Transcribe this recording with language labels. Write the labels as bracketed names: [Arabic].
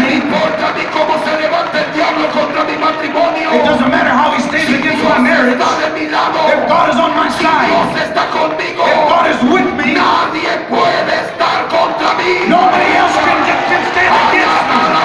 [Spanish] No importa a mí cómo se levante el diablo contra mi matrimonio. [English] It doesn't matter how he stands against my marriage. [Spanish] Está de mi lado. [English] If God is on my side. [Spanish] Dios está conmigo. [English] If God is with me. [Spanish] Nadie puede estar contra mí. [English] Nobody else can stand against me.